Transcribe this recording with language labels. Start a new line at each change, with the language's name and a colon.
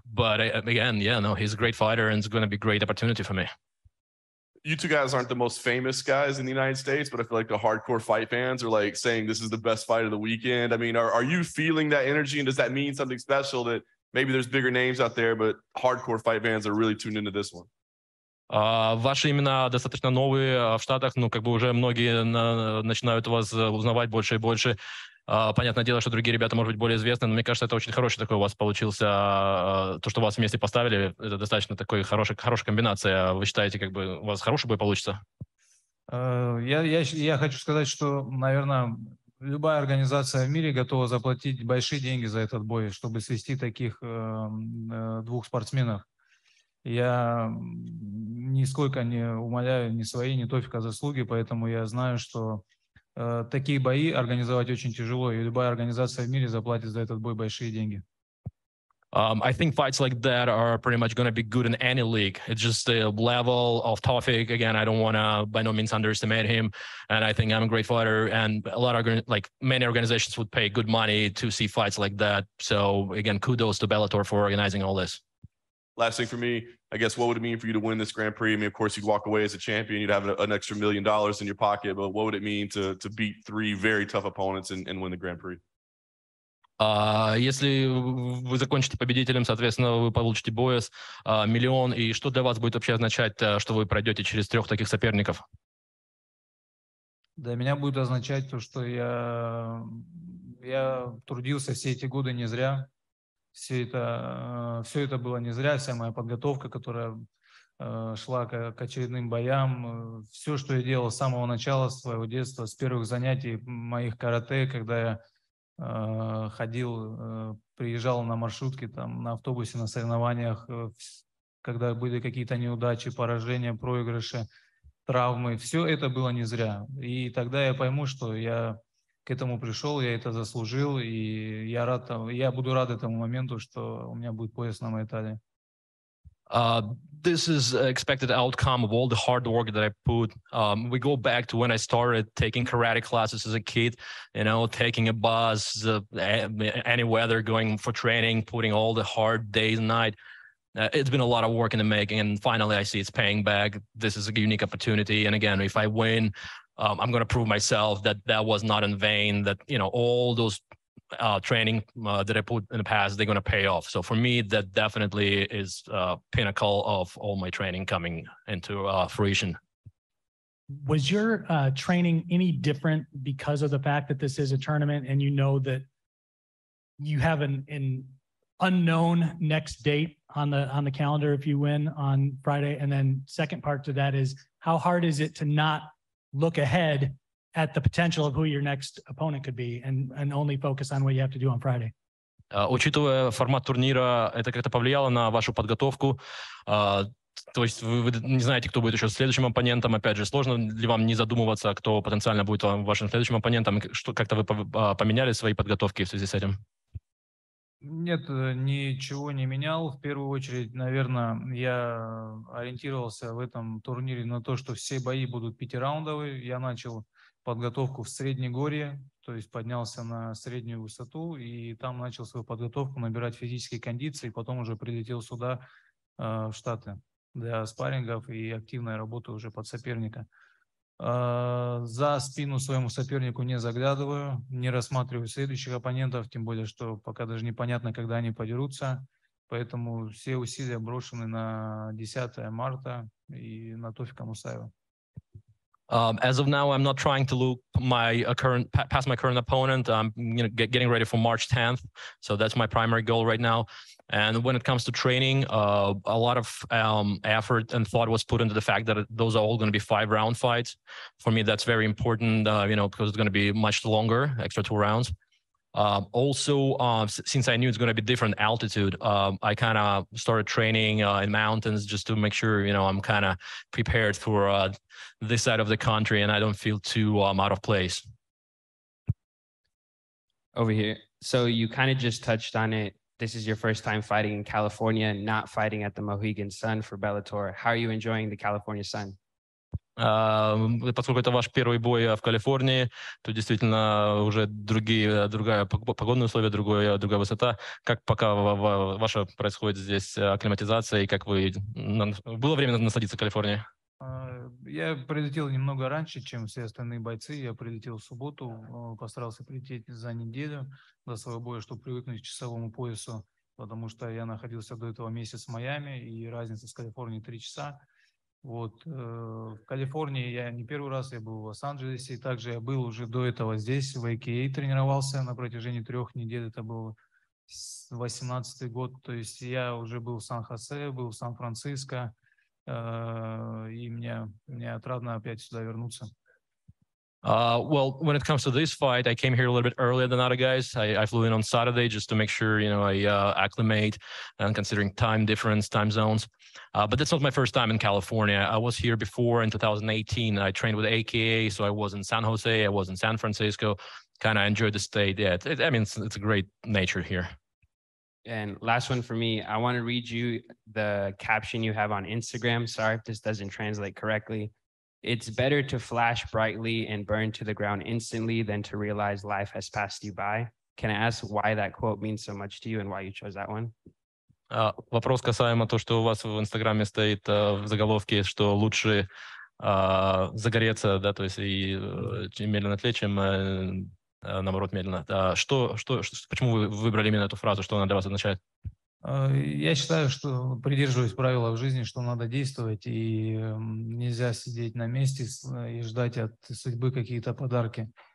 English: But again, yeah, no, he's a great fighter, and it's going to be a great opportunity for me. You two guys aren't the most famous guys in the United States, but I feel like the hardcore fight fans are like saying this is the best fight of the weekend. I mean, are you feeling that energy, and does that mean something special that maybe there's bigger names out there, but hardcore fight fans are really tuned into this one?
Russian: Ваши имена достаточно новые в Штатах, но как бы уже многие начинают вас узнавать больше и больше. Понятное дело, что другие ребята, может быть, более известны, но мне кажется, это очень хороший такой у вас получился, то, что вас вместе поставили, это достаточно такой хорошая комбинация. Вы считаете, как бы у вас хороший бой получится? Я хочу сказать, что, наверное, любая организация в мире готова заплатить большие деньги за этот бой, чтобы свести таких двух спортсменов. Я нисколько не умаляю ни свои, ни Тофика заслуги, поэтому я знаю, что такие бои организовать очень тяжело, и любая организация в мире заплатит за этот бой большие деньги.
English: I think fights like that are pretty much going to be good in any league. It's just the level of Taufik. Again, I don't want to by no means underestimate him. And I think I'm a great fighter. And a lot of, like, many organizations would pay good money to see fights like that. So, again, kudos to Bellator for organizing all this. Last thing for me, I guess, what would it mean for you to win this Grand Prix? I mean, of course, you'd walk away as a champion. You'd have an extra $1 million in your pocket. But what would it mean to beat three very tough opponents and win the Grand Prix?
Russian: Если вы закончите победителем, соответственно, вы получите бонус миллион. И что для вас будет вообще означать, что вы пройдете через трех таких соперников? Для меня будет означать то, что я трудился все эти годы не зря. Все это было не зря, вся моя подготовка, которая шла к очередным боям. Все, что я делал с самого начала своего детства, с первых занятий моих карате, когда я ходил, приезжал на маршрутке, там, на автобусе, на соревнованиях, когда были какие-то неудачи, поражения, проигрыши, травмы. Все это было не зря. И тогда я пойму, что я к этому пришел, я это заслужил, и я рад, я буду рад этому моменту, что у меня будет пояс на моей талии.
English: This is expected outcome of all the hard work that I put. We go back to when I started taking karate classes as a kid, you know, taking a bus, any weather, going for training, putting all the hard days and night. It's been a lot of work in the making, and finally I see it's paying back. This is a unique opportunity, and again, if I win, I'm going to prove myself that was not in vain, that, you know, all those training that I put in the past, they're going to pay off. So for me, that definitely is a pinnacle of all my training coming into fruition. Was your training any different because of the fact that this is a tournament and you know that you have an unknown next date on the calendar if you win on Friday? And then second part to that is, how hard is it to not look ahead at the potential of who your next opponent could be and only focus on what you have to do on Friday?
Russian: Учитывая формат турнира, это как-то повлияло на вашу подготовку? То есть вы не знаете, кто будет еще следующим оппонентом? Опять же, сложно ли вам не задумываться, кто потенциально будет вашим следующим оппонентом? Что, как-то вы поменяли свои подготовки в связи с этим? Нет, ничего не менял. В первую очередь, наверное, я ориентировался в этом турнире на то, что все бои будут пятираундовые. Я начал подготовку в Среднегорье, то есть поднялся на среднюю высоту и там начал свою подготовку, набирать физические кондиции, потом уже прилетел сюда, в Штаты, для спаррингов и активной работы уже под соперника. За спину своему сопернику не заглядываю, не рассматриваю следующих оппонентов, тем более, что пока даже непонятно, когда они подерутся. Поэтому все усилия брошены на 10 марта и на Тофика Мусаева.
English: As of now, I'm not trying to look past my current opponent. I'm, you know, getting ready for March 10th, so that's my primary goal right now. And when it comes to training, a lot of effort and thought was put into the fact that those are all going to be 5-round fights. For me, that's very important, you know, because it's going to be much longer, extra 2 rounds. Since I knew it's going to be different altitude, I kind of started training in mountains just to make sure, you know, I'm kind of prepared for this side of the country and I don't feel too out of place. Over here. So you kind of just touched on it. This is your first time fighting in California, not fighting at the Mohegan Sun for Bellator. How are you enjoying the California Sun?
Russian: Поскольку это ваш первый бой в Калифорнии, то действительно уже другая погодные условия, другая высота. Как пока ваша происходит здесь акклиматизация и как вы было время насладиться Калифорнией? Я прилетел немного раньше, чем все остальные бойцы. Я прилетел в субботу, постарался прилететь за неделю до своего боя, чтобы привыкнуть к часовому поясу, потому что я находился до этого месяц в Майами и разница с Калифорнией 3 часа. Вот, в Калифорнии я не первый раз, я был в Лос-Анджелесе, и также я был уже до этого здесь, в АКА тренировался на протяжении 3 недель, это был 18-й год, то есть я уже был в Сан-Хосе, был в Сан-Франциско, и мне отрадно опять сюда вернуться.
English: Well, when it comes to this fight, I came here a little bit earlier than other guys. I flew in on Saturday just to make sure, you know, I acclimate, considering time difference, time zones. But that's not my first time in California. I was here before in 2018. I trained with AKA, so I was in San Jose, I was in San Francisco. Kind of enjoyed the state. Yeah, it's a great nature here. And last one for me, I want to read you the caption you have on Instagram. Sorry if this doesn't translate correctly. It's better to flash brightly and burn to the ground instantly than to realize life has passed you by. Can I ask why that quote means so much to you and why you chose that one?
Russian: Вопрос касаемо того, что у вас в Инстаграме стоит в заголовке, что лучше загореться, да, то есть и чем медленно тлеть, чем наоборот медленно. Почему вы выбрали именно эту фразу, что она для вас означает? Я считаю, что придерживаюсь правила в жизни, что надо действовать, и нельзя сидеть на месте и ждать от судьбы какие-то подарки.